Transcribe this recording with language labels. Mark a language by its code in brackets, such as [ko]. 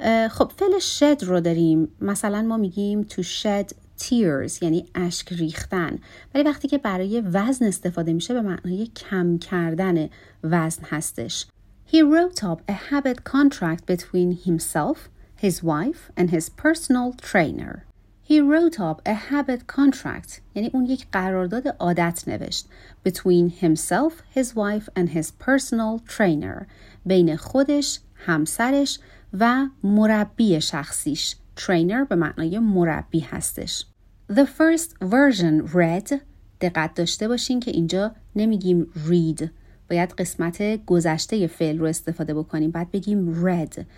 [fa] خب فعل shed رو داریم، مثلا ما میگیم [en] to shed tears [fa] یعنی اشک ریختن، ولی وقتی که برای وزن استفاده میشه به معنای کم کردن وزن هستش. [en] He wrote up a habit contract between himself, his wife, and his personal trainer. He wrote up a habit contract. [fa] یعنی اون یک قرارداد عادت نوشت. [en] Between himself, his wife, and his personal trainer. [fa] بین خودش، همسرش و مربی شخصیش. Trainer به معنای مربی هستش. [en] The first version read. [fa] دقت داشته باشین که اینجا نمیگیم read، باید قسمت گذشته فعل رو استفاده بکنیم، بعد بگیم read.